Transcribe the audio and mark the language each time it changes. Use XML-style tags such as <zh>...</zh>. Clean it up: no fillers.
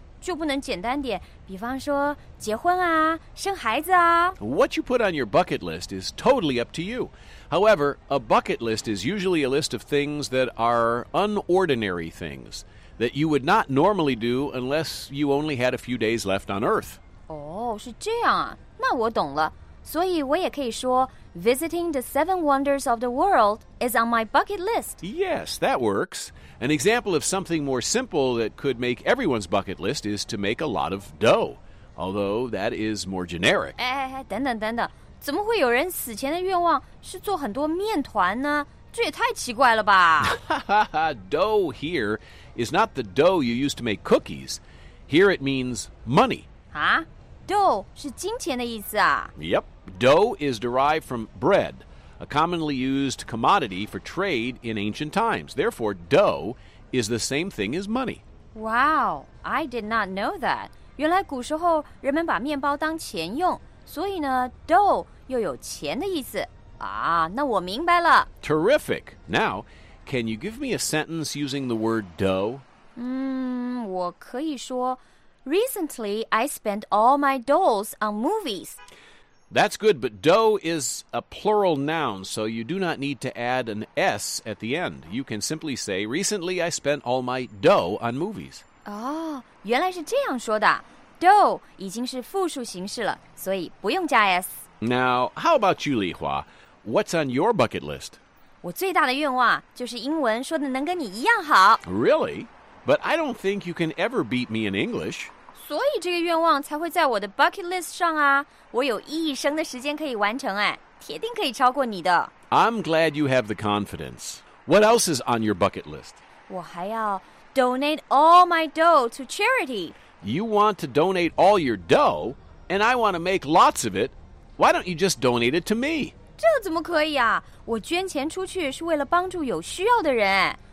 <zh>就不能简单点，比方说结婚啊，生孩子啊。</zh> <en>What you put on your bucket list is totally up to you. However, a bucket list is usually a list of things that are unordinary things that you would not normally do unless you only had a few days left on Earth.</en> <zh>哦，是这样啊，那我懂了。所以我也可以说</zh> <en>Visiting the seven wonders of the world is on my bucket list. Yes, that works. An example of something more simple that could make everyone's bucket list is to make a lot of dough. Although that is more generic.</en> <zh>等等，怎么会有人死前的愿望是做很多面团呢？这也太奇怪了吧。</zh> <en>Dough here is not the dough you use to make cookies. Here it means money.</en> <zh>Huh? Dough 是金钱的意思啊。</zh> <en>Yep, dough is derived from bread, a commonly used commodity for trade in ancient times. Therefore, dough is the same thing as money. Wow, I did not know that.</en> <zh>原来古时候人们把面包当钱用，所以呢 ，dough 又有钱的意思啊。那我明白了。</zh> <en>Terrific. Now, can you give me a sentence using the word dough?</en> <zh>我可以说。</zh> <en>Recently, I spent all my doughs on movies. That's good, but dough is a plural noun, so you do not need to add an S at the end. You can simply say, recently, I spent all my dough on movies.</en> <zh>Oh, 原来是这样说的。Dough 已经是复数形式了，所以不用加 S.</zh> <en>Now, how about you, Li Hua? What's on your bucket list? 我最大的愿望就是英文说的能跟你一样好。 Really? But I don't think you can ever beat me in English.</en> <zh>所以这个愿望才会在我的 bucket list 上啊。我有一生的时间可以完成哎，铁定可以超过你的。</zh> <en>I'm glad you have the confidence. What else is on your bucket list?</en> <zh>我还要</zh> <en>donate all my dough to charity. You want to donate all your dough, and I want to make lots of it. Why don't you just donate it to me?</en> <zh>这怎么可以啊？我捐钱出去是为了帮助有需要的人哎。</zh>